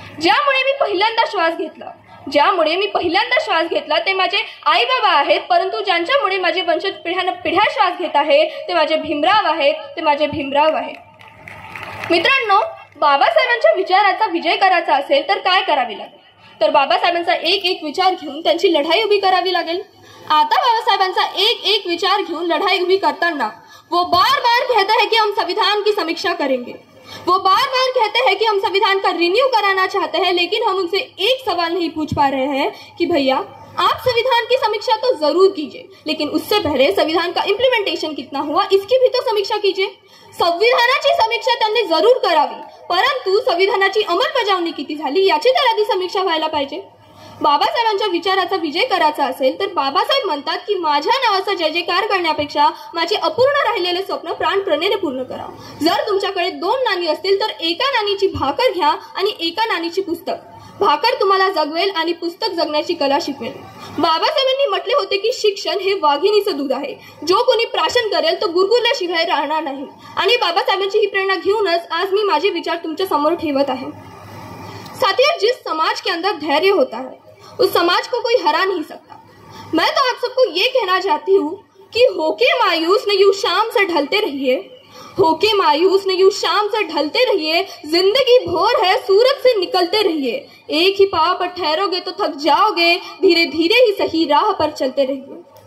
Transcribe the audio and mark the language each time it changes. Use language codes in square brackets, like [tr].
[mr] ज्यामुळे मी पहिल्यांदा श्वास घेतला, ज्यामुळे मी पहिल्यांदा श्वास घेतला ते माझे आई बाबा आहेत, परंतु ज्यांच्यामुळे माझे वंशज पिढ्यान पिढ्या श्वास घेत आहे ते माझे भीमराव आहेत, ते माझे भीमराव आहेत. मित्रांनो, बाबासाहेबांच्या विचाराचा विजय करायचा असेल तर काय करावे लागेल, तर बाबासाहेबांचा एक एक विचार घेऊन त्यांची लढाई उभी करावी लागेल. आता बाबासाहेबांचा एक एक विचार घेऊन लढाई उभी करताना [hi] वो बार बार कहते हैं कि हम संविधान की समीक्षा करेंगे, वो बार बार कहते हैं कि हम संविधान का रिन्यू कराना चाहते हैं, लेकिन हम उनसे एक सवाल नहीं पूछ पा रहे हैं कि भैया आप संविधान की समीक्षा तो जरूर कीजिए, लेकिन उससे पहले संविधान का इम्प्लीमेंटेशन कितना हुआ इसकी भी तो समीक्षा कीजिए. [mr] संविधानाची समीक्षा त्यांनी जरूर करावी, परंतु संविधानाची अंमलबजावणी किती झाली याची तर आधी समीक्षा व्हायला पाहिजे. बाबासाहेबांच्या विचाराचा विजय करायचा असेल तर बाबासाहेब म्हणतात की माझ्या नावाचा जय जयकार करण्यापेक्षा माझे अपूर्ण राहिलेले स्वप्न प्राणप्रणेने पूर्ण करा. जर तुमच्याकडे दोन नाणी असतील तर एका नाणीची भाकर घ्या आणि एका नाणीची पुस्तक. भाकर तुम्हाला जगवेल आणि पुस्तक जगण्याची कला शिकवेल. बाबासाहेबांनी म्हटले होते की शिक्षण हे वाघिणीचं दूध आहे, जो कोणी प्राशन करेल तो गुरगुरल्याशिवाय राहणार नाही. आणि बाबासाहेबांची ही प्रेरणा घेऊनच आज मी माझे विचार तुमच्या समोर ठेवत आहे. [hi] साथियों, जिस समाज के अंदर धैर्य होता है उस समाज को कोई हरा नहीं सकता. मैं तो आप सबको ये कहना चाहती हूँ कि होके मायूस नहीं यूं शाम से ढलते रहिए, होके मायूस नहीं यूं शाम से ढलते रहिए, जिंदगी भोर है सूरत से निकलते रहिए, एक ही पाव पर ठहरोगे तो थक जाओगे, धीरे धीरे ही सही राह पर चलते रहिए.